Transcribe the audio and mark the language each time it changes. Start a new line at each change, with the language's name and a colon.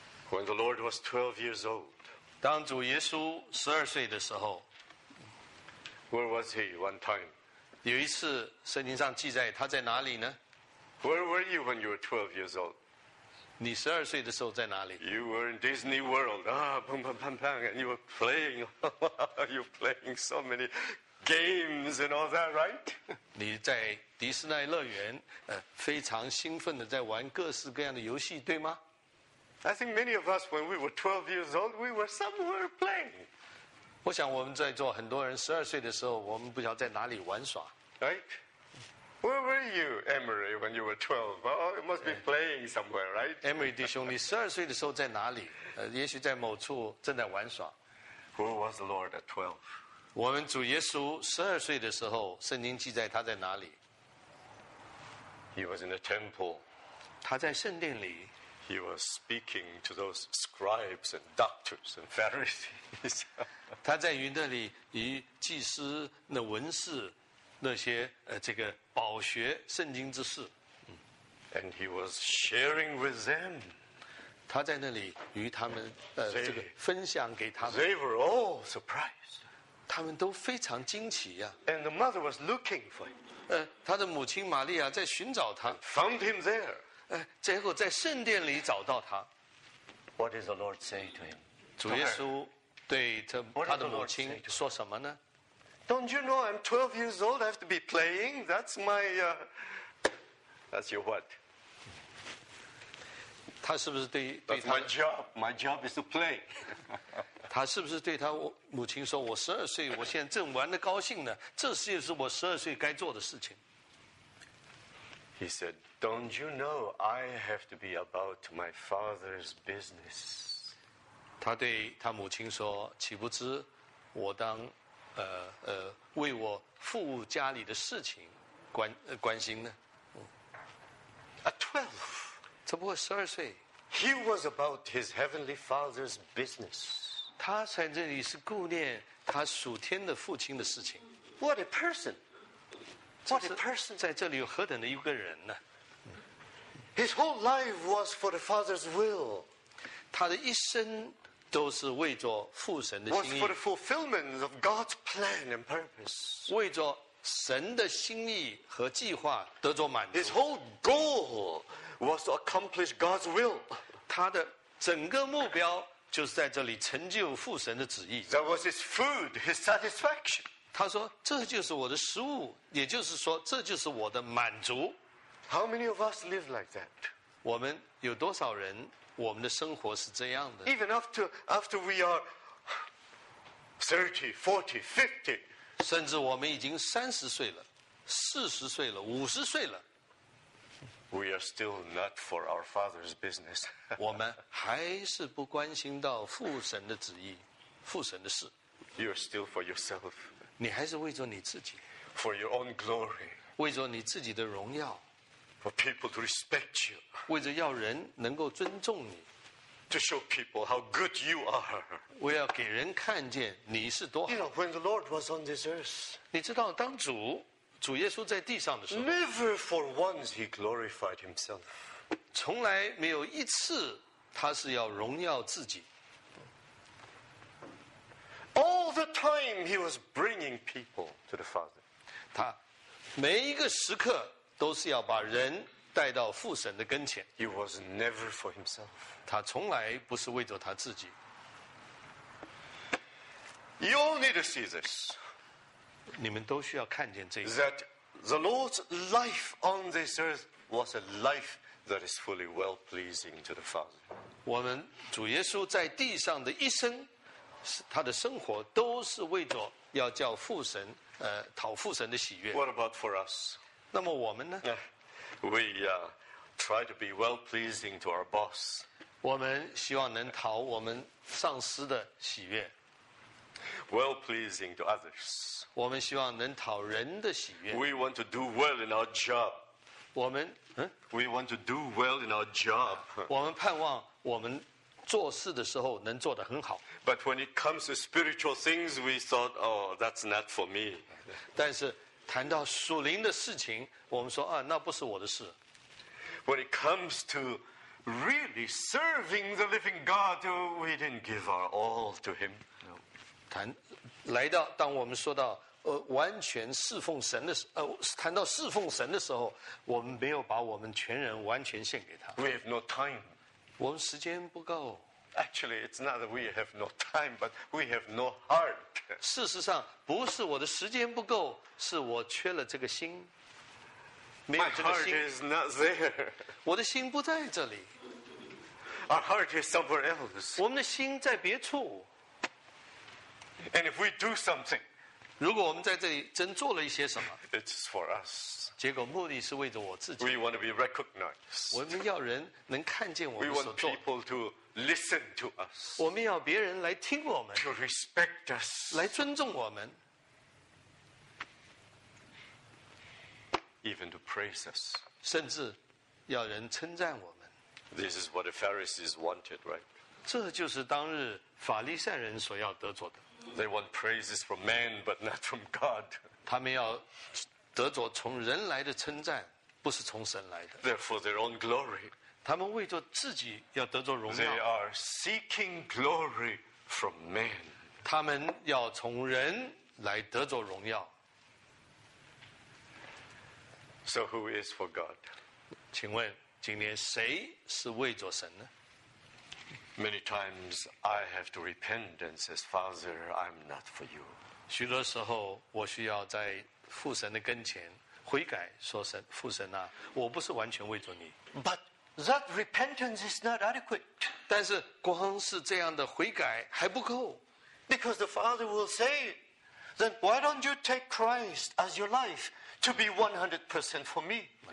English: When the Lord was 12 years old,
Chinese: 当主耶稣十二岁的时候
English: ，Where was he one time?
Chinese: 有一次，圣经上记载他在哪里呢
English: ？Where were you when you were 12 years old?
Chinese: 你十二岁的时候在哪里
English: ？You were in Disney World, bang bang bang bang, and you were playing, you were playing so many games and all that, right?
Chinese: 你在迪士尼乐园，非常兴奋的在玩各式各样的游戏，对吗？
English: I think many of us, when we were 12 years old, we were somewhere playing.
Chinese: 我想我们在座很多人十二岁的时候，我们不晓得在哪里玩耍。
English: Right? Where were you, Emery, when you were 12? Oh, you must be playing somewhere, right?
Chinese: Emery 弟兄，你十二岁的时候在哪里？也许在某处正在玩耍。
English: Who was the Lord at 12?
Chinese: 我们主耶稣十二岁的时候，圣经记载他在哪里
English: ？He was in the temple.
Chinese: 他在圣殿里。
English: He was speaking to those scribes and doctors and Pharisees.
Chinese: 他在于那里与祭司、那文士、那些这个饱学圣经之士。
English: And he was sharing with them.
Chinese: 他在那里与他们这个分享给他们。
English: They were all surprised.
Chinese: 他们都非常惊奇呀。
English: And the mother was looking for him.
Chinese: 他的母亲玛利亚在寻找他。
English: Found him there.
Chinese: 最后在圣殿里找到他。
English: What does the Lord say to him?
Chinese: 主耶稣对他的母亲说什么呢？
English: Don't you know I'm 12 years old? I have to be playing. That's my, that's your what?
Chinese: 他是不是对他
English: That's my job. My job is to play.
Chinese: 他是不是对他母亲说，我十二岁，我现在正玩得高兴呢？这些是我十二岁该做的事情。
English: He said, "Don't you know I have to be about my father's business?"
Chinese: 他对他母亲说，岂不知我当为我父家里的事情关心呢？
English: A 12,
Chinese: 只不过十二岁。
English: He was about his heavenly father's business.
Chinese: 他在这里是顾念他属天的父亲的事情。
English: What a person! What a person!
Chinese: 在这里有何等的一个人呢
English: ？His whole life was for the father's will.
Chinese: 他的一生。都是为着父神的心意。
English: Was for the fulfillment of God's plan and purpose.
Chinese: 为着神的心意和计划得着满足。
English: His whole goal was to accomplish God's will.
Chinese: 他的整个目标就是在这里成就父神的旨意。
English: That was his food, his satisfaction.
Chinese: 他说这就是我的食物，也就是说这就是我的满足。
English: How many of us live like that?
Chinese: 我们有多少人我们的生活是这样的。
English: Even after we are 30, 40, 50,
Chinese: 甚至我们已经30岁了40岁了50岁了。
English: We are still not for our father's business.
Chinese: 我们还是不关心到父神的旨意父神的事。
English: You are still for yourself.
Chinese: 你还是为着你自己。
English: For your own glory.
Chinese: 为着你自己的荣耀。
English: For people to respect you,
Chinese: 为着要人能够尊重你
English: ，to show people how good you are,
Chinese: 我要给人看见你是多好。
English: You know, when the Lord was on this earth,
Chinese: 你知道当主耶稣在地上的时候
English: ，never for once he glorified himself,
Chinese: 从来没有一次他是要荣耀自己。
English: All the time he was bringing people to the Father,
Chinese: 他每一个时刻。都是要把人带到父神的跟前。
English: He was never for himself.
Chinese: 他从来不是为着他自己。
English: You all need to see this.
Chinese: 你们都需要看见这一点。
English: That the Lord's life on this earth was a life that is fully well pleasing to the Father.
Chinese: 我们主耶稣在地上的一生，他的生活都是为着要叫父神讨父神的喜悦。
English: What about for us?
Chinese: 那么我们呢
English: ？We try to be well pleasing to our boss.
Chinese: 我们希望能讨我们上司的喜悦。
English: Well pleasing to others.
Chinese: 我们希望能讨人的喜悦。
English: We want to do well in our job.
Chinese: 我们
English: We want to do well in our job.
Chinese: 我们盼望我们做事的时候能做得很好。
English: But when it comes to spiritual things, we thought, oh, that's not for me.
Chinese: 但是。谈到属灵的事情，我们说啊，那不是我的事。
English: When it comes to really serving the living God, we didn't give our all to Him.
Chinese: 谈来到当我们说到完全侍奉神的谈到侍奉神的时候，我们没有把我们全人完全献给他。
English: We have no time.
Chinese: 我们时间不够。
English: Actually, it's not that we have no time, but we have no heart.
Chinese: 事实上，不是我的时间不够，是我缺了这个心。
English: My heart is not there.
Chinese: 我的心不在这里。
English: Our heart is somewhere else.
Chinese: 我们的心在别处。
English: And if we do something,
Chinese: 如果我们在这里真做了一些什么
English: ，it's for us.
Chinese: 结果目的是为着我自己。
English: We want to be recognized.
Chinese: 我们要人能看见我们所做。
English: We want people to Listen to us.
Chinese: 我们要别人来听我们
English: To respect us.
Chinese: 来尊重我们
English: Even to praise us.
Chinese: 甚至要人称赞我们
English: This is what the Pharisees wanted, right?
Chinese: 这就是当日法利赛人所要得着的
English: They want praises from men, but not from God.
Chinese: 他们要得着从人来的称赞，不是从神来的
English: Therefore, their own glory.
Chinese: 他们为着自己要得着荣耀。
English: They are seeking glory from man.
Chinese: 他们要从人来得着荣耀。
English: So who is for God?
Chinese: 请问今天谁是为着神呢？
English: Many times I have to repent and says, Father, I'm not for you.
Chinese: 许多时候我需要在父神的跟前悔改，说神，父神啊，我不是完全为着你。
English: But that repentance is not adequate.
Chinese: 但是光是这样的悔改还不够。
English: Because the Father will say, then why don't you take Christ as your life to be 100% for me?